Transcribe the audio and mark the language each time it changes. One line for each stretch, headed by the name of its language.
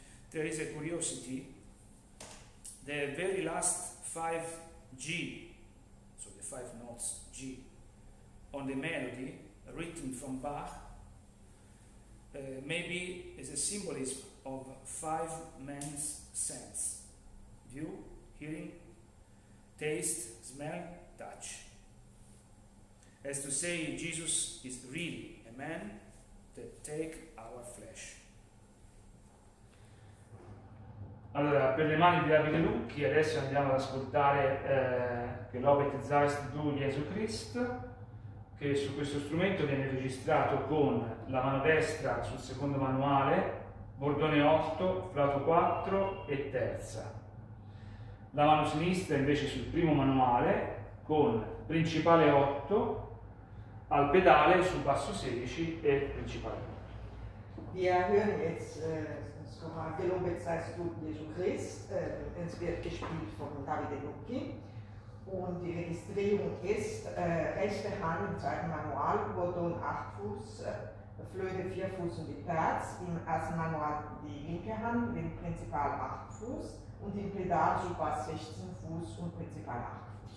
English: There is a curiosity. The very last 5 G, so the 5 notes G, on the melody, written from Bach, maybe is a symbolism of 5 men's sense: view, hearing, taste, smell, touch. As to say, Jesus is really a man that take our flesh.
Italian: Allora, per le mani di Davide Lucchi, adesso andiamo ad ascoltare Gelobet seist du Jesu Christ, che su questo strumento viene registrato con la mano destra sul secondo manuale, bordone 8, flauto 4 e terza. La mano sinistra invece sul primo manuale, con principale 8, al pedale su basso 16 e principale 8.
German: Wir hören jetzt Gelobet seist du Jesu Christ, es wird gespielt von Davide Lucchi und die Registrierung ist rechte Hand im zweiten Manual, Bordon 8 Fuß, Flöte 4 Fuß und die Terz, im ersten Manual die linke Hand, mit Prinzipal 8 Fuß und im Pedal zu Bass 16 Fuß und Prinzipal 8.